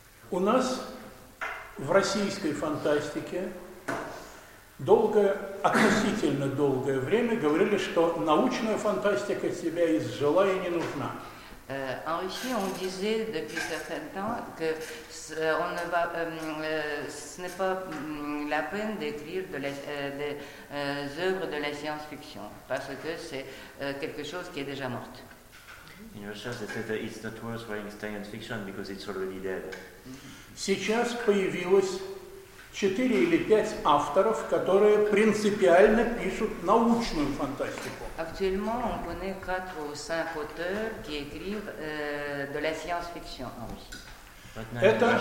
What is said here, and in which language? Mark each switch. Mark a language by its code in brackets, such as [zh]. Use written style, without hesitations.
[ru] У нас в российской фантастике долгое, относительно долгое время говорили, что научная фантастика себя изжила и не нужна. [fr] En Russie, on disait depuis certain temps que ce n'est pas la peine d'écrire des œuvres de la science-fiction, parce que c'est quelque chose qui est déjà morte. [en] In Russia, they said that it's not worth writing science-fiction because it's already dead. [ru] Сейчас появилось 4 или 5 авторов, которые принципиально пишут научную фантастику. [fr] Actuellement, on connaît 4 ou 5 auteurs qui écrivent de la science-fiction en Russie.